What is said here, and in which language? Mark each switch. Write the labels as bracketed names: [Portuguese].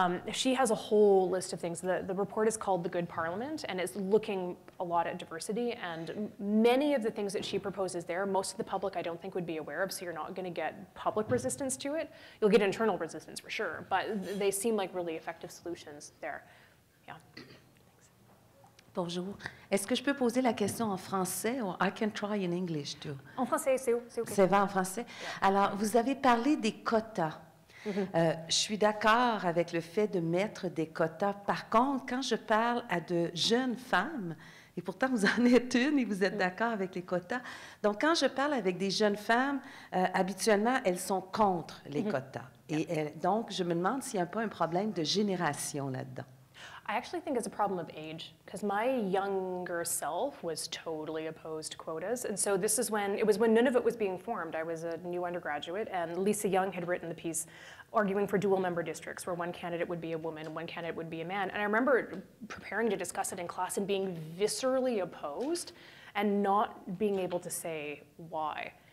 [English] She has a whole list of things. The report is called The Good Parliament, and it's looking a lot at diversity, and many of the things that she proposes there, most of the public I don't think would be aware of, so you're not going to get public resistance to it. You'll get internal resistance for sure, but they seem like really effective solutions there. Yeah. [French] Bonjour. Est-ce que je peux poser la question en français? [English] I can try in English too. [French] En français, c'est OK. C'est vrai en français? Yeah. Alors, vous avez parlé des quotas. Je suis d'accord avec le fait de mettre des quotas. Par contre, quand je parle à de jeunes femmes, et pourtant vous en êtes une et vous êtes d'accord avec les quotas, donc quand je parle avec des jeunes femmes, habituellement, elles sont contre les quotas. Et elles, donc, je me demande s'il n'y a pas un problème de génération là-dedans. [English] I actually think it's a problem of age, because my younger self was totally opposed to quotas. And so this is when, it was when none of it was being formed. I was a new undergraduate, and Lisa Young had written the piece arguing for dual member districts, where one candidate would be a woman, one candidate would be a man. And I remember preparing to discuss it in class and being viscerally opposed and not being able to say why.